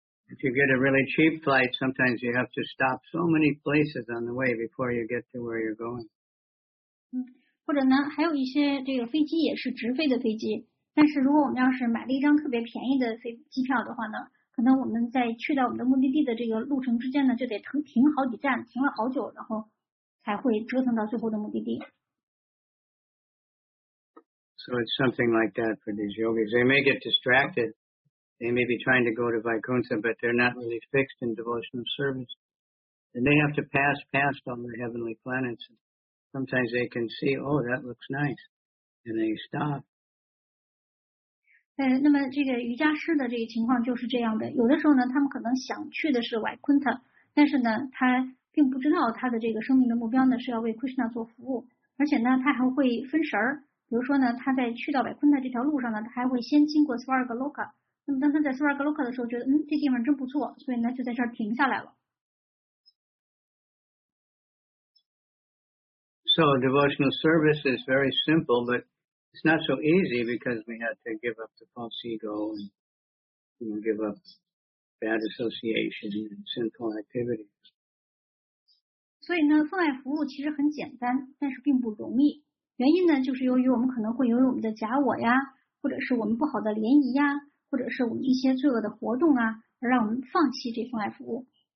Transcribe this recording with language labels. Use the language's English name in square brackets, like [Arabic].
[English] If you get a really cheap flight, sometimes you have to stop so many places on the way before you get to where you're going. [Chinese] 或者呢，还有一些这个飞机也是直飞的飞机，但是如果我们要是买了一张特别便宜的机票的话呢，可能我们在去到我们的目的地的这个路程之间呢，就得停好几站，停了好久，然后才会折腾到最后的目的地。 [English] So it's something like that for these yogis. They may get distracted. They may be trying to go to Vaikuntha, but they're not really fixed in devotional service. And they have to pass past all the heavenly planets. Sometimes they can see, oh, that looks nice. And they stop. [Chinese] 那么这个瑜伽师的这个情况就是这样的，有的时候呢，他们可能想去的是瓦昆特，但是呢，他并不知道他的这个生命的目标呢是要为 Krishna 做服务，而且呢，他还会分神儿。比如说呢，他在去到瓦昆特这条路上呢，他还会先经过 Swarga Loka。那么当他在 Swarga Loka 的时候，觉得嗯，这地方真不错，所以呢，就在这儿停下来了。 [English] So devotional service is very simple, but it's not so easy because we had to give up the false ego and, you know, give up bad association and sinful activities. [Chinese] 所以呢，奉爱服务其实很简单，但是并不容易。原因呢，就是由于我们可能会由于我们的假我呀，或者是我们不好的联谊呀，或者是我们一些罪恶的活动啊，而让我们放弃这份爱服务。